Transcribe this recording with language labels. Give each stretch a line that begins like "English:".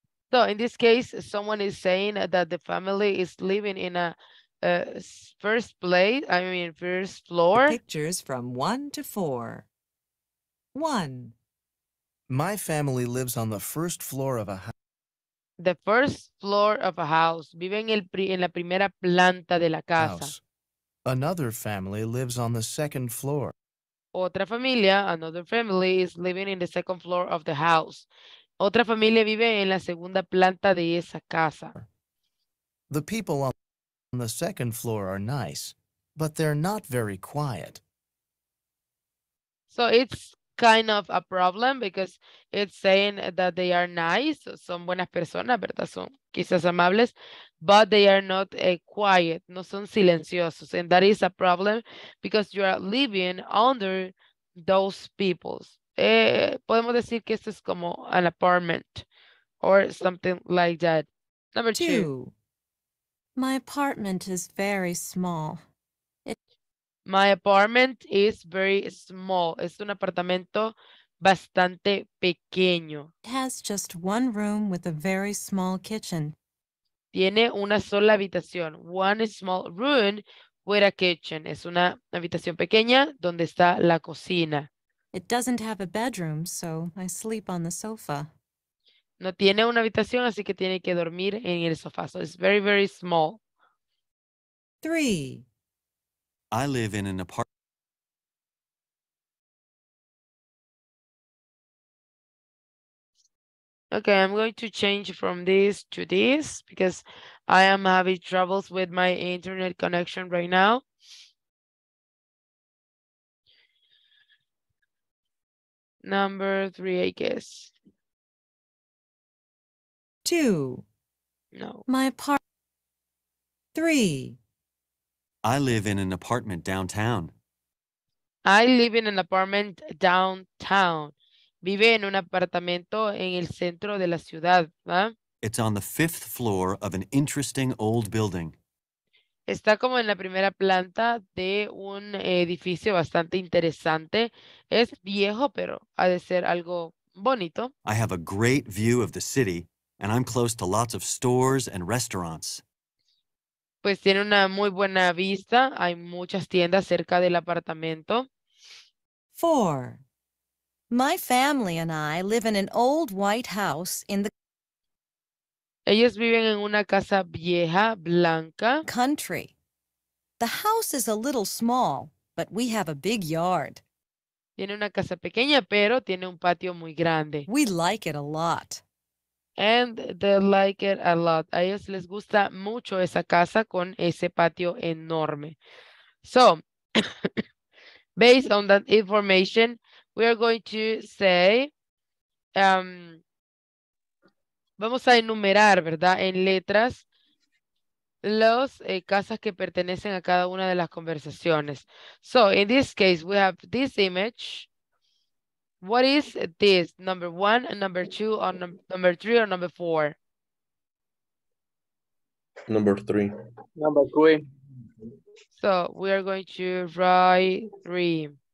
English: So in this case, someone is saying that the family is living in a first floor. The pictures from 1 to 4. 1. My family lives on the first floor of a house. The first floor of a house.
Spanish: Vive en la primera planta de la casa.
English: House. Another family lives on the second floor.
Spanish: Otra familia,
English: another family, is living in the second floor of the house.
Spanish: Otra familia vive en la segunda planta de esa casa.
English: The people on the second floor are nice, but they're not very quiet. So it's kind of a problem because it's saying that they are nice,
Spanish: son buenas personas, ¿verdad? Son quizás amables,
English: but they are not quiet,
Spanish: no son silenciosos.
English: And that is a problem because you are living under those people.
Spanish: Podemos decir que esto es como
English: an apartment or something like that. Number 2. My apartment is very small. My apartment is very small.
Spanish: Es un apartamento bastante pequeño.
English: It has just one room with a very small kitchen.
Spanish: Tiene una sola habitación.
English: One small room with a kitchen.
Spanish: Es una habitación pequeña donde está la cocina.
English: It doesn't have a bedroom, so I sleep on the sofa.
Spanish: No tiene una habitación, así que tiene que dormir en el sofá.
English: So it's very, very small. 3. I live in an apartment. Okay, I'm going to change from this to this because I am having troubles with my internet connection right now. Number 3, I guess. 2. No. My apartment. 3. I live in an apartment downtown. I live in an apartment downtown.
Spanish: Vive en un apartamento en el centro de la ciudad.
English: It's on the fifth floor of an interesting old building.
Spanish: Está como en la primera planta de un edificio bastante interesante. Es viejo, pero ha de ser algo bonito.
English: I have a great view of the city, and I'm close to lots of stores and restaurants.
Spanish: Pues tiene una muy buena vista. Hay muchas tiendas cerca del apartamento.
English: 4. My family and I live in an old white house in the...
Spanish: Ellos viven en una casa vieja, blanca.
English: Country. The house is a little small, but we have a big yard.
Spanish: Tiene una casa pequeña, pero tiene un patio muy grande.
English: We like it a lot. And they like it a lot.
Spanish: A ellos les gusta mucho esa casa con ese patio enorme.
English: So, based on that information, we are going to say,
Spanish: vamos a enumerar, ¿verdad? En letras, las casas que pertenecen a cada una de las conversaciones.
English: So, in this case, we have this image. What is this? Number one, number two, or number three, or number four? Number three. Number three. So we are going to write three.